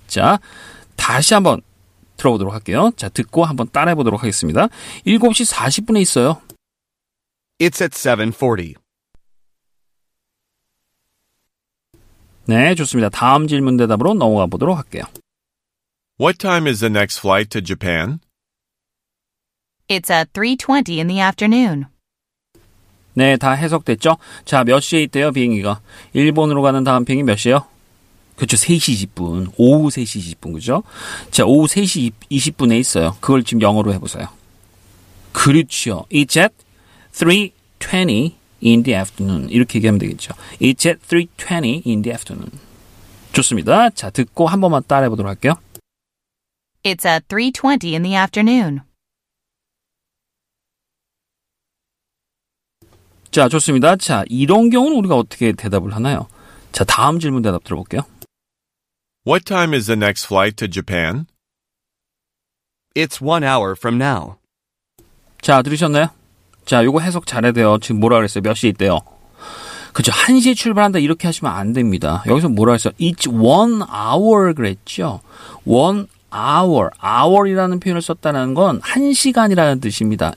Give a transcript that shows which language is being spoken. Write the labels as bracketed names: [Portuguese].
[Korean] 자, 다시 한번 들어보도록 할게요. 자, 듣고 한번 따라해보도록 하겠습니다. 7시 40분에 있어요. [English] It's at 7:40. [Korean] 네, 좋습니다. 다음 질문 대답으로 넘어가 보도록 할게요. [English] What time is the next flight to Japan? It's at 3:20 in the afternoon. [Korean] 네, 다 해석됐죠? 자, 몇 시에 있대요, 비행기가? 일본으로 가는 다음 비행기 몇 시예요? 그렇죠, 3시 20분. 오후 3시 20분, 그렇죠? 자, 오후 3시 20분에 있어요. 그걸 지금 영어로 해보세요. 그렇죠. [English] It's at 3:20 in the afternoon. [Korean] 이렇게 얘기하면 되겠죠. [English] It's at 3:20 in the afternoon. [Korean] 좋습니다. 자, 듣고 한 번만 따라해보도록 할게요. [English] It's at 3:20 in the afternoon. [Korean] 자, 좋습니다. 자, 이런 경우는 우리가 어떻게 대답을 하나요? 자, 다음 질문 대답 들어볼게요. [English] What time is the next flight to Japan? It's 1 hour from now. [Korean] 자, 들으셨나요? 자, 요거 해석 잘해야 돼요. 지금 뭐라 그랬어요? 몇 시에 있대요? 그죠. 1시에 출발한다. 이렇게 하시면 안 됩니다. 여기서 뭐라 그랬어요? [English] It's 1 hour [Korean] 그랬죠? 1 hour. hour이라는 표현을 썼다는 건 1시간이라는 뜻입니다.